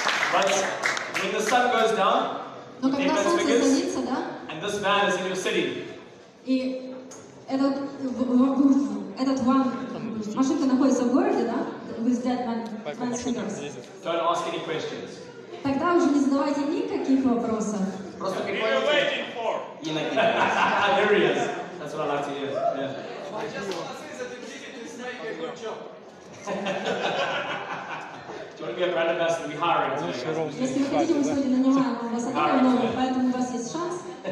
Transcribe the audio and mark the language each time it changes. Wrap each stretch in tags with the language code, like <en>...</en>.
<en>But when the sun goes down, and this van is in your city.</en> <ru>И этот ван машинка находится в городе, да?</ru> <en>With that man, don't ask any questions.</en> <ru>Тогда уже не задавайте никаких вопросов. Просто переходите. И на кинопоиске.</ru> <en>There he is. That's what I like to hear. Yeah. I just want to say that if you can make a good job. Do you want to be a brand ambassador? We hiring today.</en> <ru>Если вы хотите, мы сегодня нанимаем амбассадора нового, поэтому у вас есть шанс.</ru>